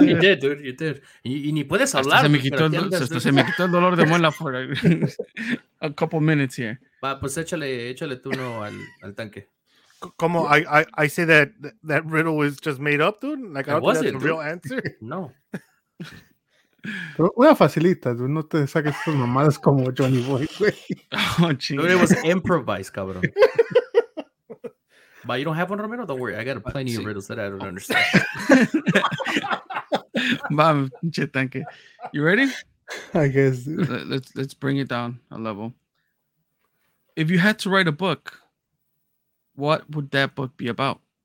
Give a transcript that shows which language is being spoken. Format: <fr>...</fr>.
<en>You did, dude. You did.</en> <es>Y ni puedes hablar. Se me quitó el dolor de muela</es> <en>for a couple minutes here.</en> <es>Va, pues échale tú no al tanque. Como</es> <en>I say that riddle was just made up, dude. Like, I don't think that's a real answer. No.</en> <es>Pero una facilita, dude. No te saques tus mamadas como Johnny Boy, güey. Oh, chingada.</es> <en>Dude, it was improvised,</en> <es>cabrón.</es> <en>But you don't have one, Romero? Don't worry. I got plenty of riddles that I don't understand. Mom, thank you. You ready? I guess. Let's bring it down a level. If you had to write a book, what would that book be about?</en>